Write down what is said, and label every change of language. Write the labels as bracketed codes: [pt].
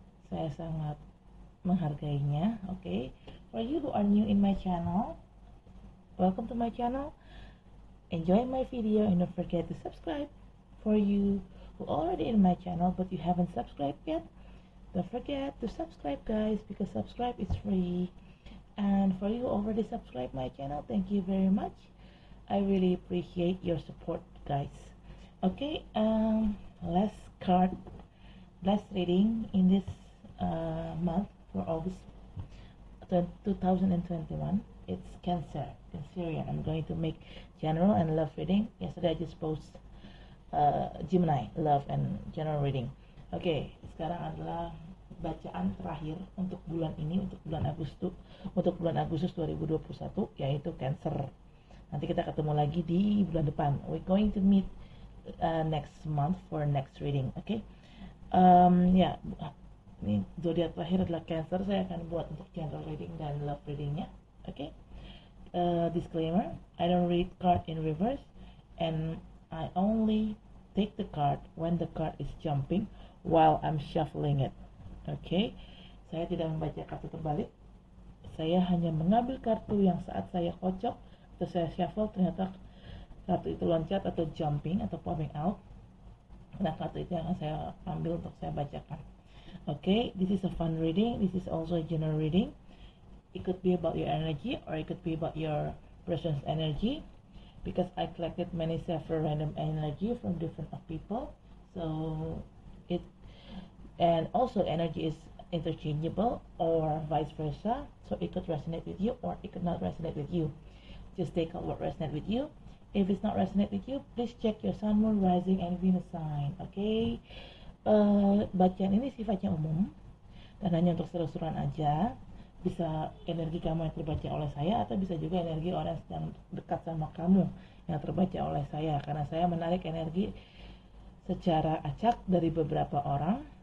[id] Saya sangat menghargainya. Oke, okay. [en] For you who are new in my channel, welcome to my channel. Enjoy my video and don't forget to subscribe. For you who already in my channel but you haven't subscribed yet, don't forget to subscribe guys, because subscribe is free. And for you who already subscribed my channel, thank you very much. I really appreciate your support guys. Okay, last card, last reading in this month for August 2021. It's Cancer, Cancerian. I'm going to make general and love reading. Yesterday I just post Gemini, love and general reading. [id] Okay, sekarang adalah bacaan terakhir untuk bulan ini, untuk bulan Agustus 2021, yaitu Cancer. Nanti kita ketemu lagi di bulan depan. [en] We're going to meet next month for next reading, okay? [id] Ini zodiak terakhir adalah Cancer. Saya akan buat untuk general reading dan love readingnya, okay? [en] Disclaimer: I don't read card in reverse, and I only take the card when the card is jumping while I'm shuffling it, okay? [id] Saya tidak membaca kartu terbalik. Saya hanya mengambil kartu yang saat saya kocok atau saya shuffle ternyata kartu itu loncat atau jumping atau popping out. Nah, kartu itu yang saya ambil untuk saya bacakan. [en] Okay, this is a fun reading. This is also a general reading. It could be about your energy or it could be about your person's energy. Because I collected many several random energy from different of people. So, it and also energy is interchangeable or vice versa. So, it could resonate with you or it could not resonate with you. Just take out what resonate with you. If it's not resonate with you, please check your sun, moon, rising, and venus sign. Okay? [id] Bacaan ini sifatnya umum dan hanya untuk seru-seruan aja. Bisa energi kamu yang terbaca oleh saya atau bisa juga energi orang yang dekat sama kamu yang terbaca oleh saya. Karena saya menarik energi secara acak dari beberapa orang.